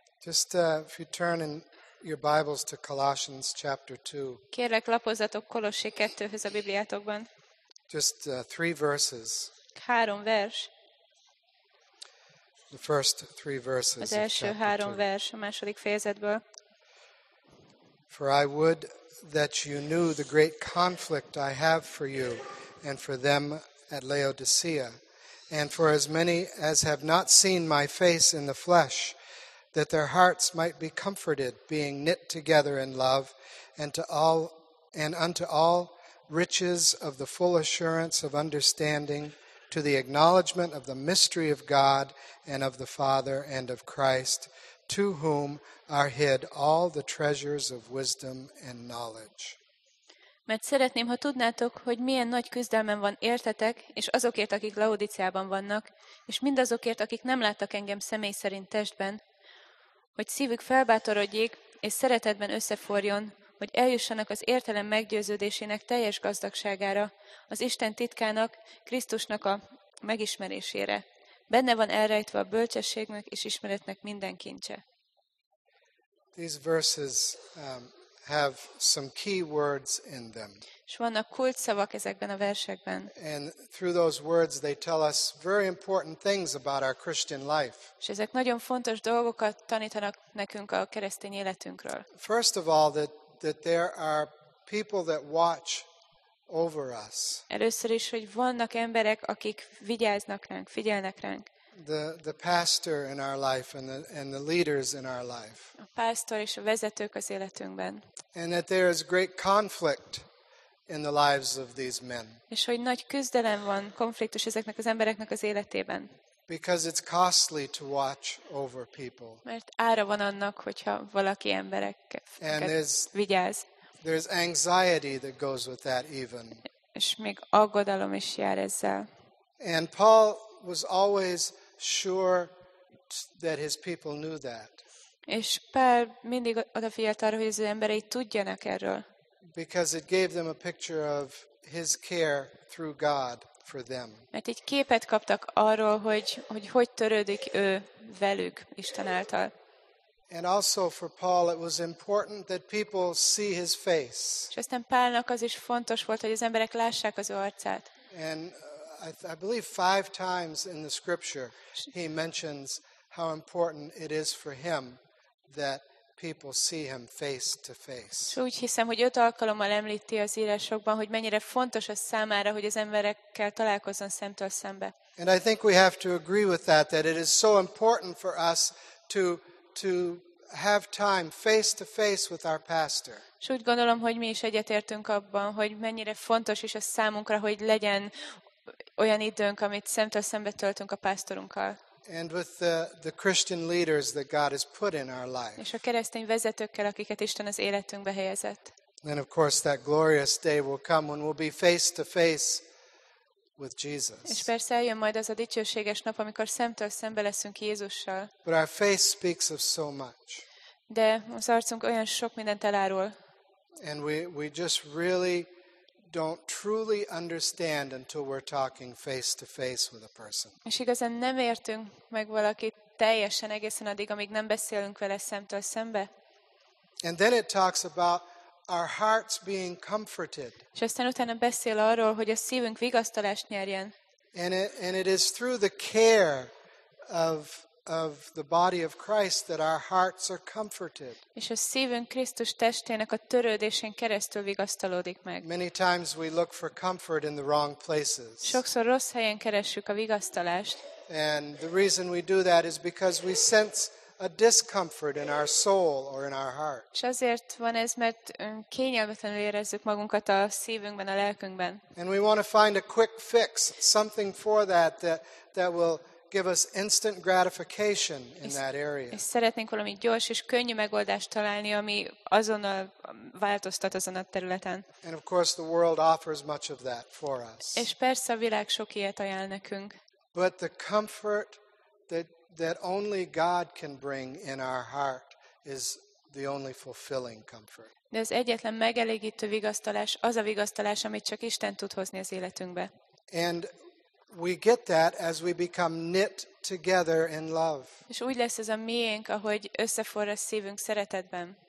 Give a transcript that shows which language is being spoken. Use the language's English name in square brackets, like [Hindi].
[English] Just if you turn in your Bibles to Colossians chapter 2. [Hungarian] Kérlek, lapozzatok Kolossé 2-höz a Bibliátokban. [English] Just three verses. [Hungarian] Három vers. [English] The first three verses. [Hungarian] Az első három vers a második fejezetből. [English] For I would that you knew the great conflict I have for you and for them at Laodicea, and for as many as have not seen my face in the flesh, that their hearts might be comforted, being knit together in love, and to all and unto all riches of the full assurance of understanding, to the acknowledgement of the mystery of God and of the Father and of Christ, to whom are hid all the treasures of wisdom and knowledge. [Hungarian] Mert szeretném, ha tudnátok, hogy milyen nagy küzdelmem van értetek, és azokért, akik Laodiceában vannak, és mindazokért, akik nem láttak engem személy szerint testben, hogy szívük felbátorodjék, és szeretetben összeforjon, hogy eljussanak az értelem meggyőződésének teljes gazdagságára, az Isten titkának, Krisztusnak a megismerésére. Benne van elrejtve a bölcsességnek és ismeretnek minden kincse. [English] These verses have some key words in them. [Hungarian] És vannak kulcsszavak ezekben a versekben. [English] And through those words they tell us very important things about our Christian life. [Hungarian] És ezek nagyon fontos dolgokat tanítanak nekünk a keresztény életünkről. [English] First of all, that there are people that watch over us. [Hungarian] Először is, hogy vannak emberek, akik vigyáznak ránk, figyelnek ránk. [English] The pastor in our life and the leaders in our life. [Hungarian] A pásztor és a vezetők az életünkben. [English] And that there is great conflict in the lives of these men. [Hungarian] És hogy nagy küzdelem van, konfliktus ezeknek az embereknek az életében. [English] Because it's costly to watch over people. [Hungarian] Mert ára van annak, hogyha valaki embereket vigyáz. [English] There's anxiety that goes with that even. [Hungarian] És még aggodalom is jár ezzel. [English] And Paul was always sure that his people knew that. [Hungarian] És Pál mindig odafigyelt arra, hogy az emberei tudjanak erről. [English] Because it gave them a picture of his care through God for them. [Hungarian] Mert így képet kaptak arról, hogy törődik ő velük Isten által. [English] And also for Paul it was important that people see his face. [Hungarian] És aztán Pálnak az is fontos volt, hogy az emberek lássák az ő arcát. [English] And I believe 5 times in the scripture he mentions how important it is for him that people see him face to face. [Hungarian] Úgy hiszem, hogy 5 alkalommal említi az írásokban, hogy mennyire fontos az számára, hogy az emberekkel találkozzon szemtől szembe. [English] And I think we have to agree with that it is so important for us to have time face to face with our pastor. [Hungarian] És úgy gondolom, hogy mi is egyetértünk abban, hogy mennyire fontos is a számunkra, hogy legyen olyan időnk, amit szemtől szembe töltünk a pásztorunkkal. [English] And with the Christian leaders that God has put in our life. [Hungarian] És a keresztény vezetőkkel, akiket Isten az életünkbe helyezett. [English] And of course that glorious day will come when we'll be face to face with Jesus. [Hungarian] És persze eljön majd az a dicsőséges nap, amikor szemtől szembe leszünk Jézussal. [English] But our face speaks of so much. [Hungarian] De az arcunk olyan sok mindent elárul. [English] And we just really don't truly understand until we're talking face to face with a person. [Hungarian] És igazán nem értünk meg valakit teljesen egészen addig, amíg nem beszélünk vele szemtől szembe. [English] And then it talks about our hearts being comforted. [Hungarian] És aztán utána beszél arról, hogy a szívünk vigasztalást nyerjen. [English] And it is through the care of the body of Christ that our hearts are comforted. [Hungarian] És a szívünk Krisztus testének a törődésén keresztül vigasztalódik meg. [English] Many times we look for comfort in the wrong places. [Hungarian] Sokszor rossz helyen keressük a vigasztalást. [English] And the reason we do that is because we sense a discomfort in our soul or in our heart. [Hungarian] És azért van ez, mert kényelmetlenül érezzük magunkat a szívünkben, a lelkünkben. [English] And we want to find a quick fix, something for that will give us instant gratification in that area. [Hungarian] És szeretnénk valami gyors és könnyű megoldást találni, ami azonnal változtat azon a területen. [English] And of course the world offers much of that for us. [Hungarian] És persze a világ sok ilyet ajánl nekünk. [English] But the comfort that only God can bring in our heart is the only fulfilling comfort. [Hungarian] De az egyetlen megelégítő vigasztalás, az a vigasztalás, amit csak Isten tud hozni az életünkbe. [English] And we get that as we become knit together in love. [Hungarian] És úgy lesz ez a miénk, ahogy összeforr a szívünk szeretetben.